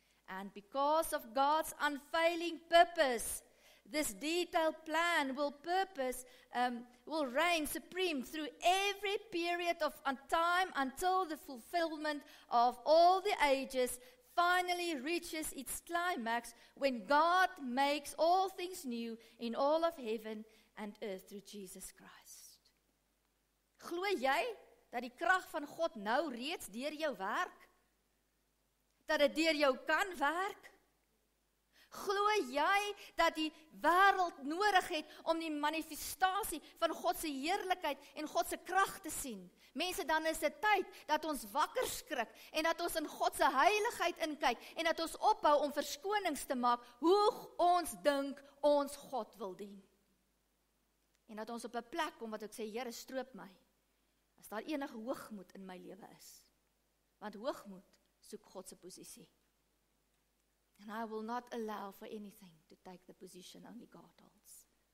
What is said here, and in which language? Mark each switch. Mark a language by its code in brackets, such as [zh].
[en] And because of God's unfailing purpose, this detailed plan will reign supreme through every period of time until the fulfillment of all the ages finally reaches its climax when God makes all things new in all of heaven and earth through Jesus Christ. [af] Glo jy dat die krag van God nou reeds deur jou werk? Dat het deur jou kan werk? Glo jy dat die wêreld nodig het om die manifestasie van God se heerlikheid en God se krag te sien? Mense, dan is dit tyd dat ons wakker skrik en dat ons in God se heiligheid inkyk en dat ons ophou om verskonings te maak hoe ons dink ons God wil dien. En dat ons op 'n plek kom wat ek sê, Here, stroop my as daar enige hoogmoed in my lewe is. Want hoogmoed soek God se posisie. [en] And I will not allow for anything to take the position only God holds.